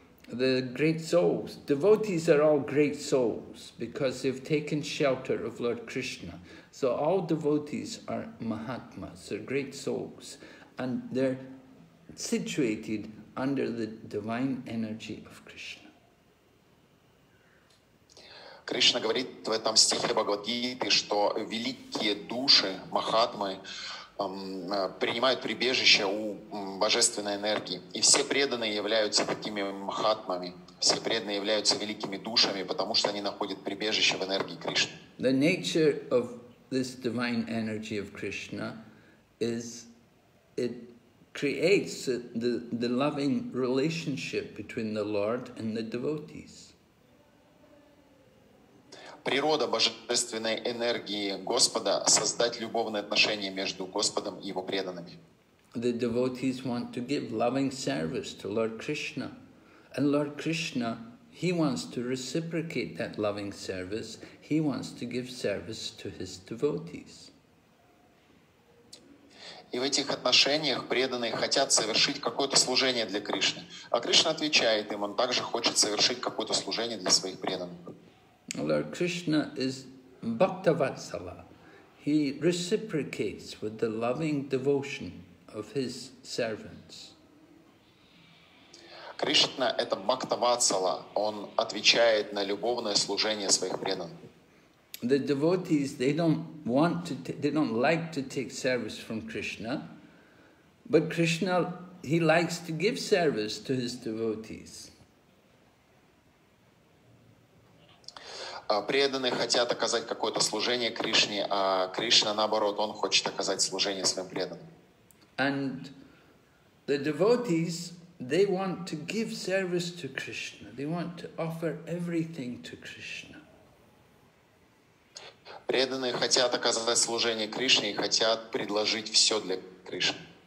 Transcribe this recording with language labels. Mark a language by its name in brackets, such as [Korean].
[English] The great souls, devotees are all great souls because they've taken shelter of Lord Krishna. So all devotees are Mahatmas, they're great souls, and they're situated under the divine energy of Krishna. [Russian] Krishna говорит в этом стихе Бхагавад-гиты, что великие души, махатмы, принимают прибежище у божественной энергии. И все преданные являются такими махатмами, все преданные являются великими душами, потому что они находят прибежище в энергии Кришны. [English] The nature of this divine energy of Krishna is it creates the loving relationship between the Lord and the devotees. [Russian] Природа божественной энергии Господа — создать любовные отношения между Господом и Его преданными. [English] The devotees want to give loving service to Lord Krishna. And Lord Krishna, He wants to reciprocate that loving service. He wants to give service to His devotees. [Russian] И в этих отношениях преданные хотят совершить какое-то служение для Кришны. А Кришна отвечает им, он также хочет совершить какое-то служение для своих преданных. [English] Lord Krishna is bhaktavatsala. He reciprocates with the loving devotion of His servants. [Russian] Кришна — это бхактавацала. Он отвечает на любовное служение своих преданных. [English] The devotees, they don't like to take service from Krishna, but Krishna, He likes to give service to His devotees. [Russian] Преданные хотят оказать какое-то служение Кришне, а Кришна, наоборот, Он хочет оказать служение своим преданным. [English] And the devotees, they want to give service to Krishna. They want to offer everything to Krishna. [Russian] Преданные хотят оказать служение Кришне и хотят предложить все для Кришны.